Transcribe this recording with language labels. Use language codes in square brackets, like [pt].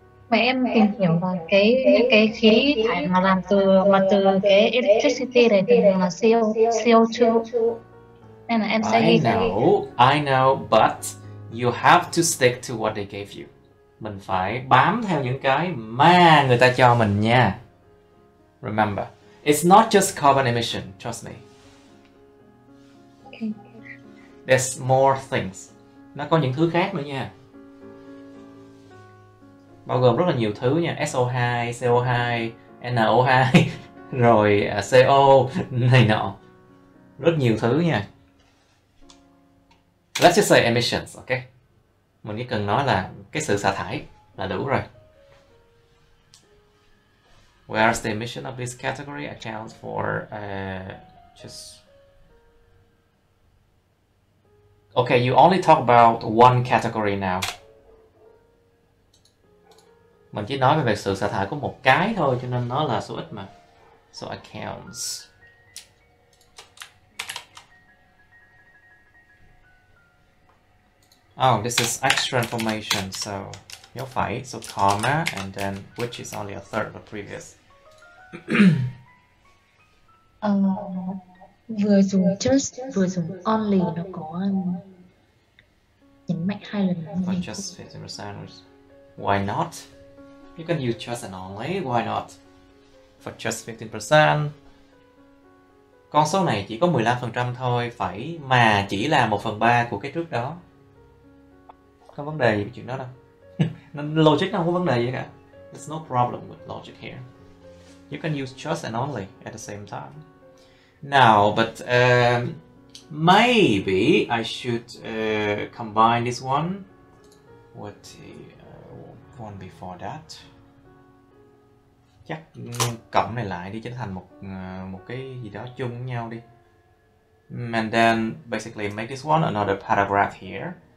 [vi] Mà em tìm hiểu là cái khí thải mà làm từ cái electricity này thì là CO2. Nên là em sẽ [en] I [vi] ghi [en] know, I know, but you have to stick to what they gave you. [vi] Mình phải bám theo những cái mà người ta cho mình nha. [en] Remember, it's not just carbon emission, trust me. There's more things. [vi] Nó có những thứ khác nữa nha. Bao gồm rất là nhiều thứ nha. SO2, CO2, NO2, rồi CO này nọ. Rất nhiều thứ nha. [en] Let's just say emissions, ok? [vi] Mình chỉ cần nói là cái sự xả thải là đủ rồi. [en] Where is the emission of this category? Accounts for just... Okay, you only talk about one category now. [vi] Mình chỉ nói về sự xả thải của một cái thôi, cho nên nó là số ít mà. [en] So accounts. Oh, this is extra information, so you're fine. So comma, and then which is only a third of the previous. [vi] Vừa dùng just, vừa dùng only, nó có nhấn mạnh hai lần. [en] But just 50%, why not? You can use just and only, why not? For just 15%, [vi] con số này chỉ có 15% thôi, phải mà chỉ là 1/3 của cái trước đó. Có vấn đề gì về chuyện đó đâu. Logic không có vấn đề gì cả. [en] There's no problem with logic here. You can use just and only at the same time. Now, but maybe I should combine this one with the one before that. [vi] Chắc cộng này lại đi cho nó thành một một cái gì đó chung với nhau đi. [en] And then basically make this one another paragraph here.